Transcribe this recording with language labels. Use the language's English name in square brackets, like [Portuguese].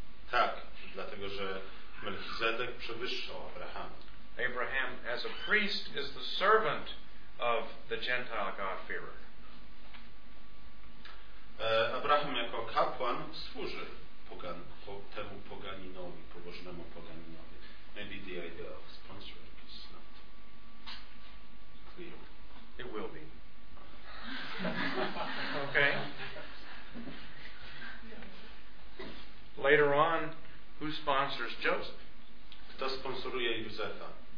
[Polish] Tak, dlatego że Melchizedek przewyższał Abrahama. [English] Abraham, as a priest, is the servant of the Gentile God-fearer. [Polish] Abraham jako kapłan służy temu poganinowi, pobożnemu poganinowi. [English] Maybe the idea of sponsoring is not clear. It will be. Okay. Later on, who sponsors Joseph? [Polish] Kto sponsoruje Józefa?